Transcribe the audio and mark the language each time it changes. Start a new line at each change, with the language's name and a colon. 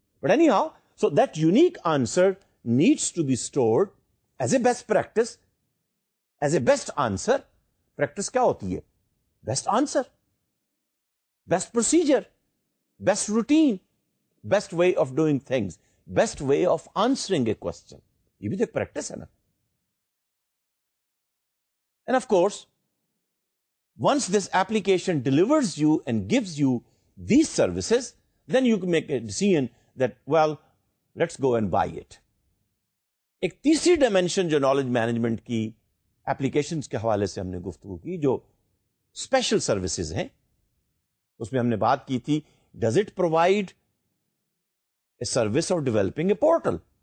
English: But any how, so that unique answer needs to be stored as a best practice, as a best answer.
Urdu: Practice کیا ہوتی ہے؟
English: Best answer, best procedure, best routine, best way of doing things, best way of answering a question.
Urdu: یہ بھی تو ایک practice ہے نا.
English: And of course once this application delivers you and gives you these services, then you can make a decision that well let's go and buy it.
Urdu: ایک تیسری dimension جو knowledge management کی ایپلیکیشنز کے حوالے سے ہم نے گفتگو کی, جو اسپیشل سروسز ہیں, اس میں ہم نے بات کی تھی
English: Does it provide a service of developing a portal.